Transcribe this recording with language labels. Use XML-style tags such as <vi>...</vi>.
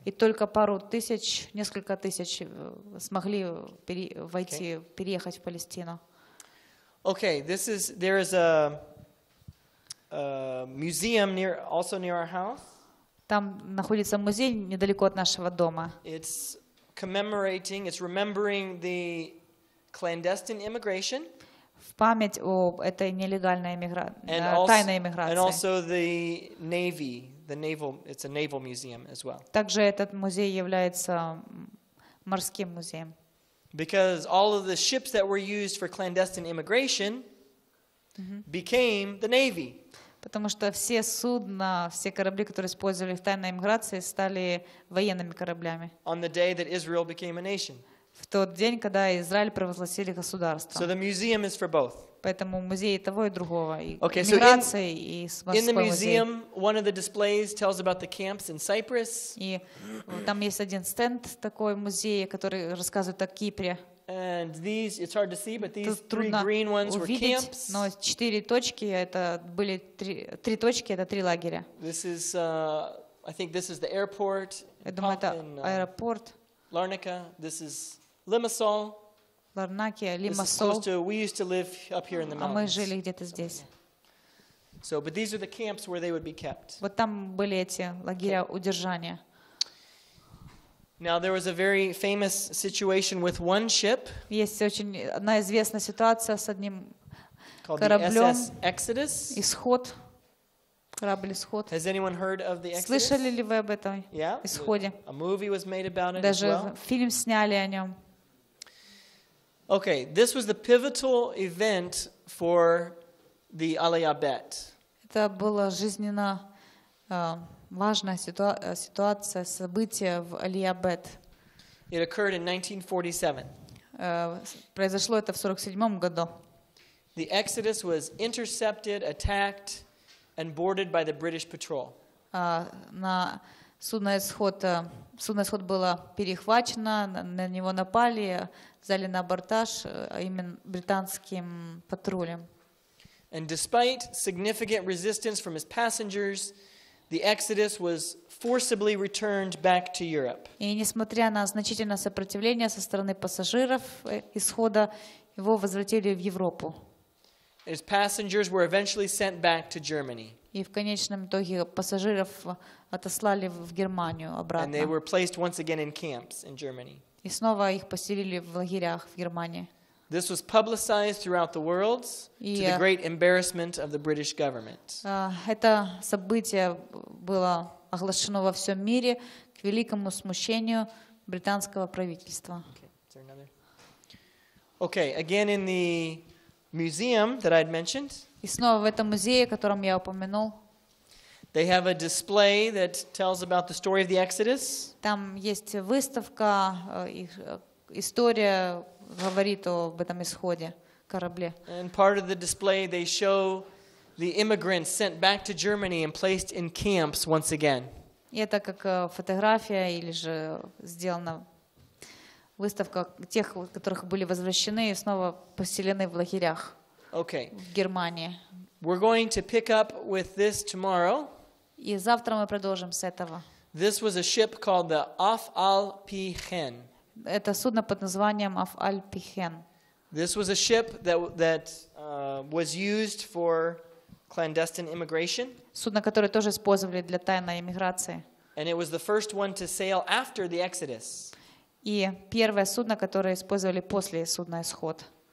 <ru>И только пару тысяч, несколько тысяч смогли войти, переехать в Палестину.</ru> <en>Okay, there is a museum near our house.</en> <ru>Там находится музей недалеко от нашего дома.</ru> <en>It's remembering the clandestine immigration.</en> <ru>В память об этой нелегальной иммиграции, тайной иммиграции.</ru> <en>And also the Navy, it's a naval museum as well.</en> <ru>Также этот музей является морским музеем.</ru> <en>Because all of the ships that were used for clandestine immigration became the Navy.</en> <ru>Потому что все судна, все корабли, которые использовали в тайной иммиграции, стали военными кораблями.</ru> <en>On the day that Israel became a nation.</en> <ru>В тот день, когда Израиль провозгласили государство.</ru> <en>So the museum is for both.</en> <ru>Поэтому музей того и другого, и иммиграции, и морской музей.</ru> <en>In the museum, one of the displays tells about the camps in Cyprus.</en> <ru>И там есть один стенд такой музея, который рассказывает о Кипре.</ru> <en>And these—it's hard to see—but these three green ones were camps.</en> <ru>Но четыре точки это были три точки это три лагеря.</ru> <en>This is, I think, this is the airport.</en> <ru>Я думаю, это аэропорт.</ru> <en>Larnaca. This is Limassol.</en> <ru>Ларнакия, Лимассол.</ru> <en>We used to live up here in the mountains.</en> <ru>А мы жили где-то здесь.</ru> <en>So, but these are the camps where they would be kept.</en> <ru>Вот там были эти лагеря удержания.</ru> <en>Now there was a very famous situation with one ship.</en> <ru>Есть очень одна известная ситуация с одним кораблем.</ru> <en>SS Exodus.</en> <ru>Исход. Корабль Исход.</ru> <en>Has anyone heard of the Exodus?</en> <ru>Слышали ли вы об этом? Исходе.</ru> <en>A movie was made about it.</en> <ru>Даже фильм сняли о нем.</ru> <en>Okay, this was the pivotal event for the Aliyah bet.</en> <ru>Это было жизненно. Важная ситуация, событие в Алия-Бет.</ru> <en>It occurred in 1947.</en> <ru>Произошло это в 47 году.</ru> <en>The Exodus was intercepted, attacked, and boarded by the British patrol.</en> <ru>На судно исход было перехвачено, на него напали, взяли на абордаж именно британским патрулем.</ru> <en>And despite significant resistance from his passengers, the Exodus was forcibly returned back to Europe.</en> <ru>И несмотря на значительное сопротивление со стороны пассажиров исхода, его возвратили в Европу.</ru> <en>His passengers were eventually sent back to Germany.</en> <ru>И в конечном итоге пассажиров отослали в Германию обратно.</ru> <en>And they were placed once again in camps in Germany.</en> <ru>И снова их поселили в лагерях в Германии.</ru> <en>This was publicized throughout the world to the great embarrassment of the British government.</en> <ru>Это событие было оглашено во всем мире к великому смущению британского правительства.</ru> <en>Okay, again in the museum that I'd mentioned.</en> <ru>И снова в этом музее, о котором я упомянул.</ru> <en>They have a display that tells about the story of the Exodus.</en> <ru>Там есть выставка, история говорит об этом исходе корабле.</ru> <en>And part of the display they show the immigrants sent back to Germany and placed in camps once again.</en> <ru>И это как фотография или же сделана выставка тех, которых были возвращены и снова поселены в лагерях.</ru> <en>Okay.</en> <ru>В Германии.</ru> <en>We're going to pick up with this tomorrow.</en> <ru>И завтра мы продолжим с этого.</ru> <en>This was a ship called the Af-Al-Pi-Hen.</en> <ru>Это судно под названием Af-Al-Pi-Hen.</ru> <en>This was a ship that was used for clandestine immigration.</en> <ru>Судно, которое тоже использовали для тайной эмиграции.</ru> <en>And it was the first one to sail after the Exodus.</en> <ru>И первое судно, которое использовали после судна Исход.</ru>